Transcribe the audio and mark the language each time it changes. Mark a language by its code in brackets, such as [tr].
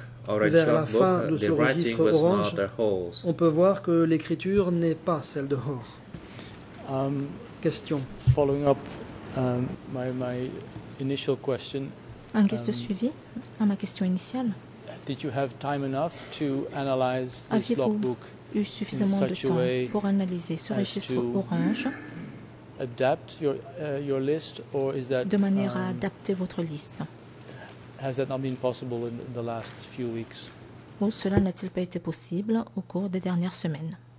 [fr] Vers la fin de ce registre orange, on peut voir que l'écriture n'est pas celle de Hor. Question. [en] Following up my initial question. [fr] En guise de suivi à ma question initiale. [en] Did you have time enough to analyze this logbook? [fr] Aviez-vous eu suffisamment de temps pour analyser ce registre orange? [en] Adapt your list, or is that [fr] de manière à adapter votre liste? [en] Has that not been possible in the last few weeks? [fr] Ou cela n'a-t-il pas été possible au cours des dernières semaines?